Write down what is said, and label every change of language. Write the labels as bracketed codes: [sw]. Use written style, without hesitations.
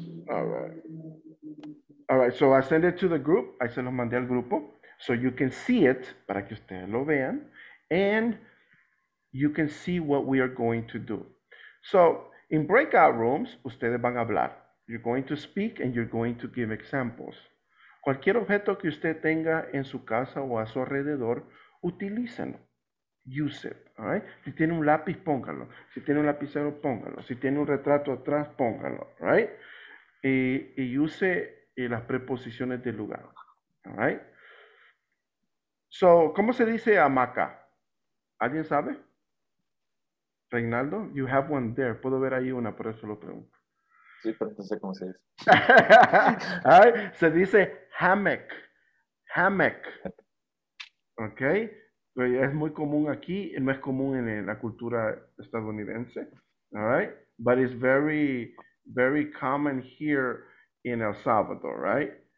[en] All right, so I send it to the group. [es] I se los mandé al grupo. [en] So you can see it, [es] para que ustedes lo vean. [en] And you can see what we are going to do. So in breakout rooms, [es] ustedes van a hablar. [en] You're going to speak and you're going to give examples. [es] Cualquier objeto que usted tenga en su casa o a su alrededor, utilícenlo. [en] Use it, all right? [es] Si tiene un lápiz, póngalo. Si tiene un lapicero, póngalo. Si tiene un retrato atrás, póngalo, right? Y use las preposiciones del lugar, all right? So, ¿cómo se dice hamaca? ¿Alguien sabe? [en] Reinaldo, you have one there. [es] Puedo ver ahí una, por eso lo pregunto. Sí, pero no sé cómo se dice. All right? Se dice hammock. Hammock. Okay? Es muy común aquí, no es común en la cultura estadounidense, all right? [en] But it's very, very common here in El Salvador, right?